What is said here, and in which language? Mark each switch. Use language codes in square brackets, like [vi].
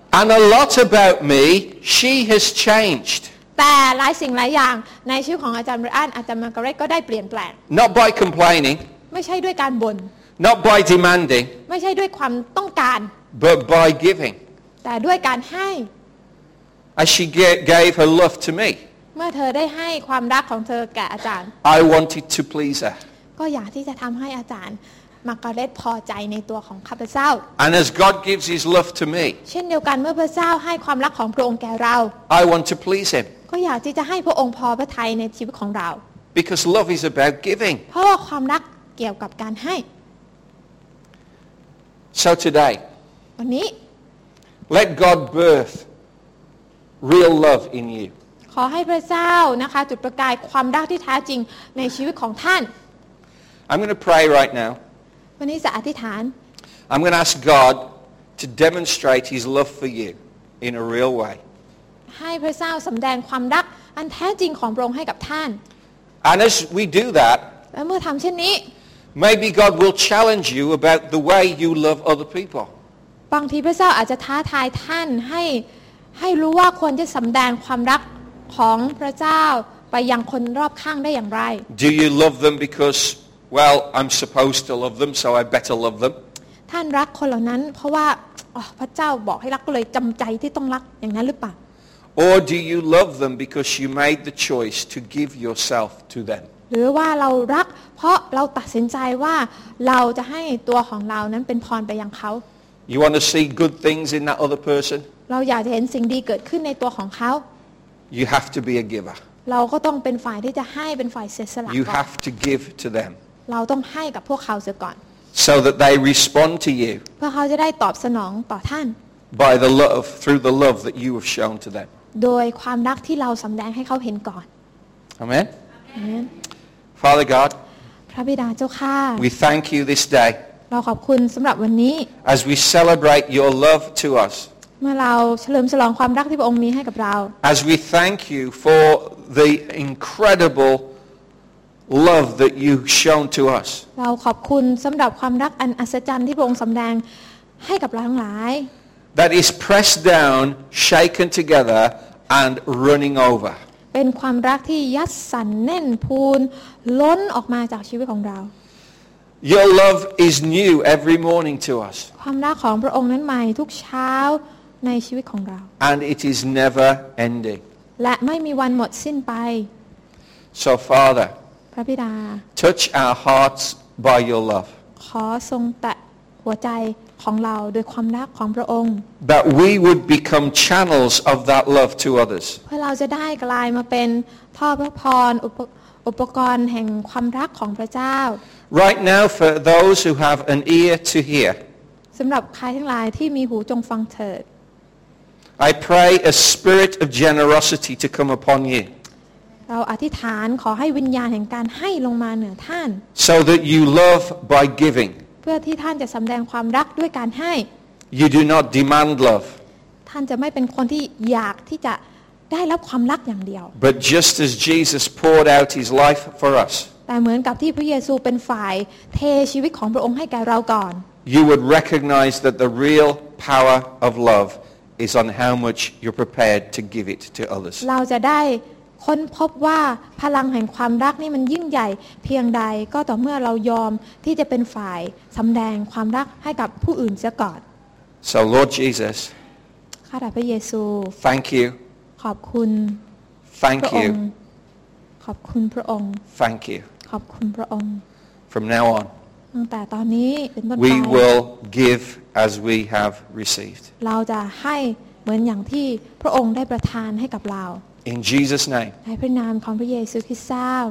[en] And a lot about me, she has changed. [th] แต่หลายสิ่งหลายอย่างในชีวิตของอาจารย์เรอันอาจารย์มาร์กาเร็ตก็ได้เปลี่ยนแปลง [en] Not by complaining [th] ไม่ใช่ด้วยการบ่น [en] Not by demanding [th] ไม่ใช่ด้วยความต้องการ [en] But by giving [th] แต่ด้วยการให้ [en] As she gave her love to me [th] เมื่อเธอได้ให้ความรักของเธอแก่อาจารย์ [en] I wanted to please her [th] ก็อยากที่จะทำให้อาจารย์มาร์กาเร็ตพอใจในตัวของข้าพเจ้า [en] And as God gives His love to me [th] เช่นเดียวกันเมื่อพระเจ้าให้ความรักของพระองค์แก่เรา [en] I want to please Him. [th] ก็อยากที่จะให้พระองค์พอพระทัยในชีวิตของเรา [en] Because love is about giving [th] เพราะว่าความรักเกี่ยวกับการให้ [en] So today [th] วันนี้ [en] Let God birth real love in you [th] ขอให้พระเจ้านะคะจุดประกายความรักที่แท้จริงในชีวิตของท่าน [en] I'm going to pray right now [th] วันนี้จะอธิษฐาน [en] I'm going to ask God to demonstrate His love for you in a real way [th] ให้พระเจ้าสำแดงความรักอันแท้จริงของพระองค์ให้กับท่าน [en] And as we do that [th] และเมื่อทำเช่นนี้ [en] Maybe God will challenge you about the way you love other people [th] บางทีพระเจ้าอาจจะท้าทายท่านให้รู้ว่าควรจะสำแดงความรักของพระเจ้าไปยังคนรอบข้างได้อย่างไร [en] Do you love them because well I'm supposed to love them so I better love them [th] ท่านรักคนเหล่านั้นเพราะว่าพระเจ้าบอกให้รักก็เลยจำใจที่ต้องรักอย่างนั้นหรือเปล่า [en] Or do you love them because you made the choice to give yourself to them [th] หรือว่าเรารักเพราะเราตัดสินใจว่าเราจะให้ตัวของเรานั้นเป็นพรไปยังเขา [en] You want to see good things in that other person [th] เราอยากจะเห็นสิ่งดีเกิดขึ้นในตัวของเขา [en] You have to be a giver [th] เราก็ต้องเป็นฝ่ายที่จะให้เป็นฝ่ายเสียสละ [en] You have to give to them [th] เราต้องให้กับพวกเขาเสียก่อน [en] so that they respond to you [th] เพื่อเขาจะได้ตอบสนองต่อท่าน [en] by the love through the love that you have shown to them [th] โดยความรักที่เราสำแดงให้เขาเห็นก่อน [en] Amen Amen Father God [th] พระบิดาเจ้าค่ะ [en] We thank you this day [th] เราขอบคุณสำหรับวันนี้ [en] as we celebrate your love to us [th] เมื่อเราเฉลิมฉลองความรักที่พระองค์มีให้กับเรา [en] As we thank you for the incredible love that you've shown to us [th] เราขอบคุณสำหรับความรักอันอัศจรรย์ที่พระองค์สำแดงให้กับเราทั้งหลาย [en] That is pressed down shaken together and running over [th] เป็นความรักที่ยัดสั่นแน่นพูนล้นออกมาจากชีวิตของเรา [en] Your love is new every morning to us [th] ความรักของพระองค์นั้นใหม่ทุกเช้าในชีวิตของเรา [en] And it is never ending [th] และไม่มีวันหมดสิ้นไป [en] So Father [th] พระบิดา [en] Touch our hearts by your love [th] ขอทรงแตะหัวใจของเราด้วยความรักของพระองค์ [en] That we would become channels of that love to others [th] เพื่อเราจะได้กลายมาเป็นท่อพระพรอุปกรณ์แห่งความรักของพระเจ้า [en] Right now for those who have an ear to hear [th] สำหรับใครทั้งหลายที่มีหูจงฟังเถิด [en] I pray a spirit of generosity to come upon you. [th] เราอธิษฐานขอให้วิญญาณแห่งการให้ลงมาเหนือท่าน [en] So that you love by giving. [th] เพื่อที่ท่านจะสำแดงความรักด้วยการให้ [en] You do not demand love. [th] ท่านจะไม่เป็นคนที่อยากที่จะได้รับความรักอย่างเดียว [en] But just as Jesus poured out his life for us. [th] แต่เหมือนกับที่พระเยซูเป็นฝ่ายเทชีวิตของพระองค์ให้แก่เราก่อน [en] You would recognize that the real power of love is on how much you're prepared to give it to others. [th] เราจะได้ค้นพบว่าพลังแห่งความรักนี่มันยิ่งใหญ่เพียงใดก็ต่อเมื่อเรายอมที่จะเป็นฝ่ายสำแดงความรักให้กับผู้อื่นเสียก่อน [en] So Lord Jesus. [th] ข้าแต่พระเยซู [en] Thank you. [th] ขอบคุณ [en] Thank you. [th] ขอบคุณพระองค์ [en] Thank you. [th] ขอบคุณพระองค์ [en] From now on. [th] ตั้งแต่ตอนนี้เป็นต้นไป [en] We will give as we have received. [th] เราจะให้เหมือนอย่างที่พระองค์ได้ประทานให้กับเรา [en] In Jesus' name. [th] ในพระนามของพระเยซูคริสต์เจ้า